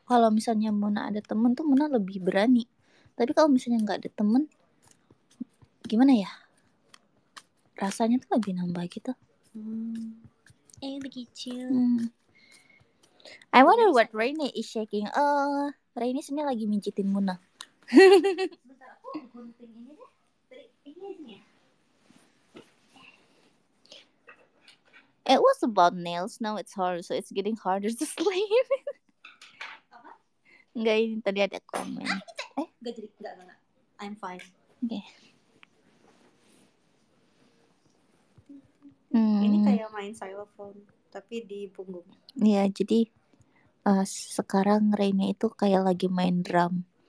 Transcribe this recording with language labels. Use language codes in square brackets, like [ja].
[id] kalau misalnya Muna ada temen tuh Muna lebih berani. Tapi kalau misalnya nggak ada temen, gimana ya? Rasanya tuh lebih nambah gitu. Begitu. [en] I wonder what Rainy is shaking. [id] Rainy sebenarnya lagi mijitin Muna. Bentar, aku gunting ini deh. Tadi ini aja. [en] It was about nails, now it's hard, so it's getting harder to sleep. [id] Apa? Enggak, ini tadi ada komen. Enggak jadi, enggak. [en] I'm fine. [id] Oke. Ini kayak main xylophone, tapi di punggung. Iya, jadi sekarang Rainy itu kayak lagi main drum.